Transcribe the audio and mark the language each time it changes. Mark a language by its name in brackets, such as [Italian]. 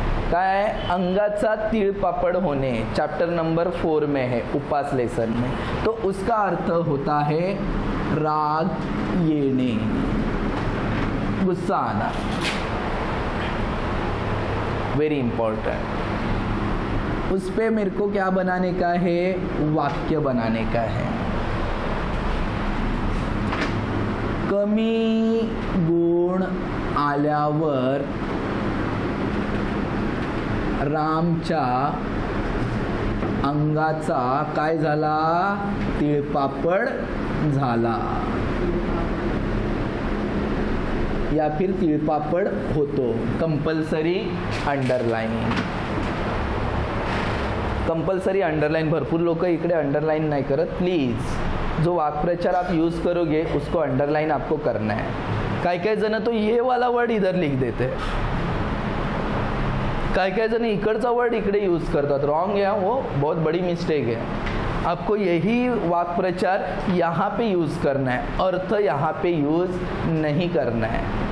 [Marathi] काय आहे [Hindi] अंगाचा तीळ पापड होणे, चैप्टर नंबर 4 में है उपास लेसन में, तो उसका अर्थ होता है राग येणे, गुस्सा आना, वेरी इम्पॉर्टेंट। उस पे मेरे को क्या बनाने का है, वाक्य बनाने का है। [Marathi] कमी गुण आल्यावर रामच्या अंगाचा काय झाला, तिळपापड झाला, या फिर तिळपापड होतो, कंपल्सरी अंडरलाइन, कंपल्सरी अंडरलाइन। भरपूर लोक इकडे अंडरलाइन नाही करत, प्लीज [Hindi] जो वाक् प्रचार आप यूज करोगे उसको अंडरलाइन आपको करना है। कई कई जन तो ये वाला वर्ड इधर लिख देते हैं, कई कई जन इकड़ा वर्ड इकड़े यूज करता, तो रॉन्ग है वो, बहुत बड़ी मिस्टेक है। आपको यही वाक् प्रचार यहाँ पे यूज करना है, अर्थ यहाँ पे यूज नहीं करना है।